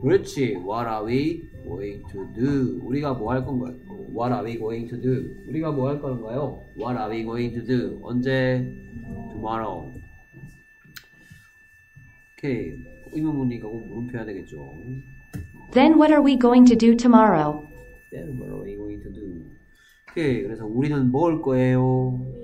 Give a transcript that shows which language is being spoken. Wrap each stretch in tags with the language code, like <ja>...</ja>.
<en>그렇지. What are we going to do? 우리가 뭐 할 건가요? What are we going to do? 우리가 뭐 할 건가요? What are we going to do? 언제? Tomorrow.</en> <ko>오케이. 이 문제니까 꼭 물음표 해야 되겠죠.</ko> <en>Then what are we going to do tomorrow? Then what are we going to do?</en> <ko>오케이, 그래서 우리는 먹을 거예요.</ko>